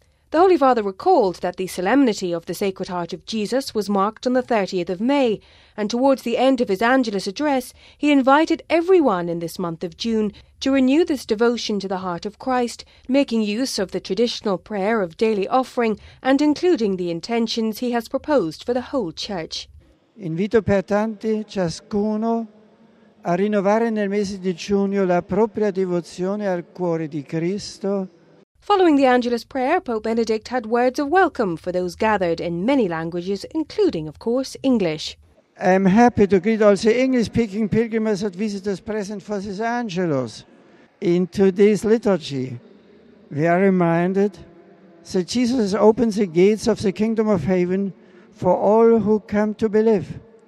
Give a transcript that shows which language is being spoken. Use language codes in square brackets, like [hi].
[en] The Holy Father recalled that the solemnity of the Sacred Heart of Jesus was marked on the 30th of May, and towards the end of his Angelus address, he invited everyone in this month of June to renew this devotion to the heart of Christ, making use of the traditional prayer of daily offering and including the intentions he has proposed for the whole Church. [it] Invito pertanto ciascuno a rinnovare nel mese di giugno la propria devozione al cuore di Cristo. [en] Following the Angelus prayer, Pope Benedict had words of welcome for those gathered in many languages, including, of course, English. I'm happy to greet all the English-speaking pilgrims and visitors present for this Angelus. In today's liturgy, we are reminded that Jesus opens the gates of the kingdom of heaven for all who come to believe.